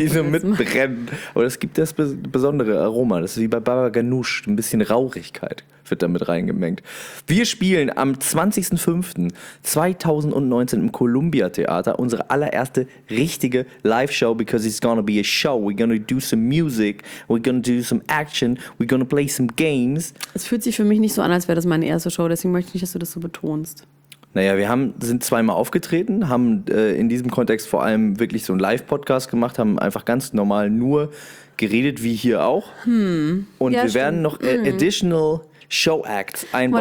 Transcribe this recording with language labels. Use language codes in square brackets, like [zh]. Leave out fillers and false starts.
[de] Die so mitbrennen. Aber es gibt das besondere Aroma. Das ist wie bei Baba Ganoush, ein bisschen Rauchigkeit wird damit reingemengt. Wir spielen am 20.05.2019 im Columbia Theater unsere allererste richtige Live-Show, [en] because it's gonna be a show. We're gonna do some music, we're gonna do some action, we're gonna play some games. [de] Es fühlt sich für mich nicht so an, als wäre das meine erste Show, deswegen möchte ich nicht, dass du das so betonst. Naja, wir sind zweimal aufgetreten, haben in diesem Kontext vor allem wirklich so einen Live-Podcast gemacht, haben einfach ganz normal nur geredet, wie hier auch. Und ja, wir werden noch [en] additional Show Act [de] einbauen.